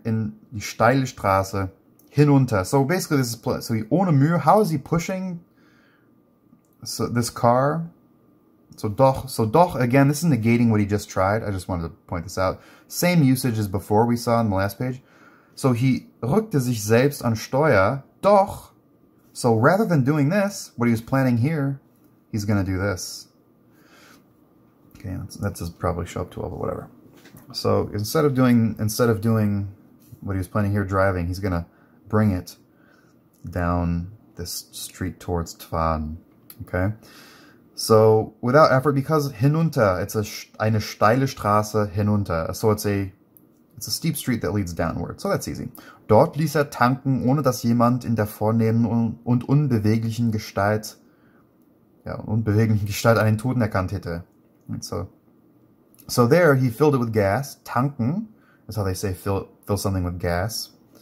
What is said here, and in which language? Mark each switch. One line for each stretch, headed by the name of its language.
German: In die steile Straße hinunter.
English: So basically this is, so he ohne Mühe, how is he pushing this car? So doch, again, this is negating what he just tried. I just wanted to point this out. Same usage as before we saw on the last page. So he
German: rückte sich selbst an Steuer, doch.
English: So rather than doing this, what he was planning here, he's going to do this. Okay, that's probably show up to all, but whatever. So instead of doing what he was planning here, driving, he's going to bring it down this street towards Twan. Okay. So, without effort, because hinunter, it's
German: eine steile Straße hinunter.
English: So it's a steep street that leads downward. So that's easy.
German: Dort ließ er tanken, ohne dass jemand in der vornehmen und unbeweglichen Gestalt Ja, unbewegliche Gestalt einen Toten erkannt hätte.
English: And so there he filled it with gas. Tanken. That's how they say fill something with gas.